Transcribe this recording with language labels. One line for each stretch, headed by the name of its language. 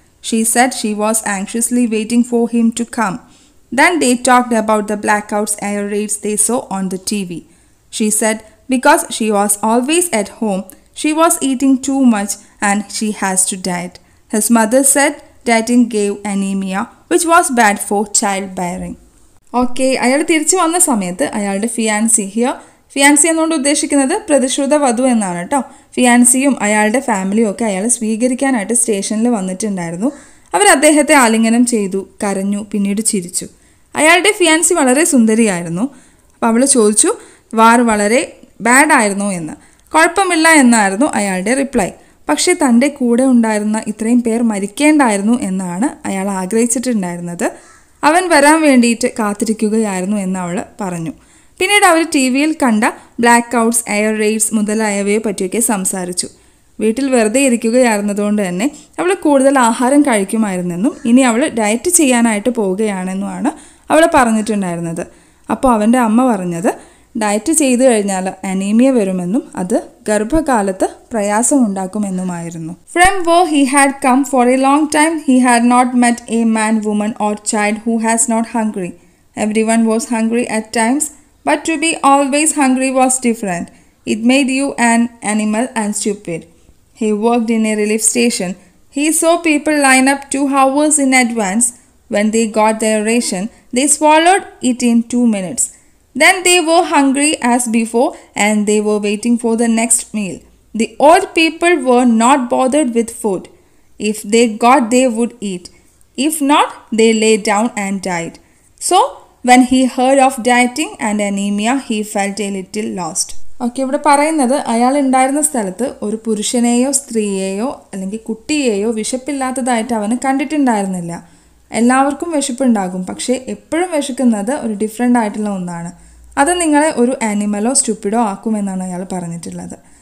English: She said she was anxiously waiting for him to come. Then they talked about the blackouts and air raids they saw on the TV. She said because she was always at home, she was eating too much and she has to diet. His mother said dieting gave anemia, which was bad for childbearing.
Malayalam: Okay, ayal thirichu vanna samayathu ayalde fiancé here. Fiancée എന്നുകൊണ്ട് ഉദ്ദേശിക്കുന്നത് പ്രതിശ്രുത വധു എന്നാണ് കേട്ടോ. ഫിയാൻസിയും അയാളുടെ ഫാമിലിയും ഒക്കെ അയാൾ സ്വീകരിക്കാനായിട്ട് സ്റ്റേഷനിൽ വന്നിട്ടുണ്ടായിരുന്നു. അവർ അദ്ദേഹത്തെ ആലിംഗനം ചെയ്തു, കരഞ്ഞു, പിന്നീട് ചിരിച്ചു. അയാളുടെ ഫിയാൻസി വളരെ സുന്ദരിയായിരുന്നു. അപ്പോൾ അവൾ ചോദിച്ചു വാർ വളരെ ബാഡായിരുന്നു എന്ന്. കുഴപ്പമില്ല എന്നായിരുന്നു അയാളുടെ റിപ്ലൈ. പക്ഷേ തൻ്റെ കൂടെ ഉണ്ടായിരുന്ന ഇത്രയും പേർ മരിക്കേണ്ടായിരുന്നു എന്നാണ് അയാൾ ആഗ്രഹിച്ചിട്ടുണ്ടായിരുന്നത്. അവൻ വരാൻ വേണ്ടിയിട്ട് കാത്തിരിക്കുകയായിരുന്നു എന്ന് അവൾ പറഞ്ഞു. പിന്നീട് അവർ TVയിൽ കണ്ട ബ്ലാക്ക് ഔട്ട്സ്, എയർ റെയ്ഡ്സ് മുതലായവയെ പറ്റിയൊക്കെ സംസാരിച്ചു. വീട്ടിൽ വെറുതെ ഇരിക്കുകയായിരുന്നതുകൊണ്ട് തന്നെ അവൾ കൂടുതൽ ആഹാരം കഴിക്കുമായിരുന്നെന്നും ഇനി അവൾ ഡയറ്റ് ചെയ്യാനായിട്ട് പോവുകയാണെന്നുമാണ് അവൾ പറഞ്ഞിട്ടുണ്ടായിരുന്നത്. അപ്പോൾ അവൻ്റെ അമ്മ പറഞ്ഞത് ഡയറ്റ് ചെയ്തു കഴിഞ്ഞാൽ അനീമിയ വരുമെന്നും അത് ഗർഭകാലത്ത് പ്രയാസമുണ്ടാക്കുമെന്നുമായിരുന്നു.
English: From where he had come for a long time he had not met a man, woman or child who has not hungry. Everyone was hungry at times. But to be always hungry was different. It made you an animal and stupid. He worked in a relief station. He saw people line up 2 hours in advance. When they got their ration, they swallowed it in 2 minutes. Then they were hungry as before and they were waiting for the next meal. The old people were not bothered with food. If they got, they would eat. If not, they lay down and died. So, when he heard of dieting and anemia, he felt a little lost.
Malayalam: Okay, ഇവിടെ പറയുന്നത് അയാൾ ഉണ്ടായിരുന്ന സ്ഥലത്ത് ഒരു പുരുഷനെയോ സ്ത്രീയെയോ അല്ലെങ്കിൽ കുട്ടിയെയോ വിശപ്പില്ലാത്തതായിട്ട് അവന് കണ്ടിട്ടുണ്ടായിരുന്നില്ല. എല്ലാവർക്കും വിശപ്പുണ്ടാകും, പക്ഷേ എപ്പോഴും വിശക്കുന്നത് ഒരു ഡിഫറെൻ്റ് ആയിട്ടുള്ള ഒന്നാണ്. അത് നിങ്ങളെ ഒരു ആനിമലോ സ്റ്റുപ്പിഡോ ആക്കുമെന്നാണ് അയാൾ പറഞ്ഞിട്ടുള്ളത്.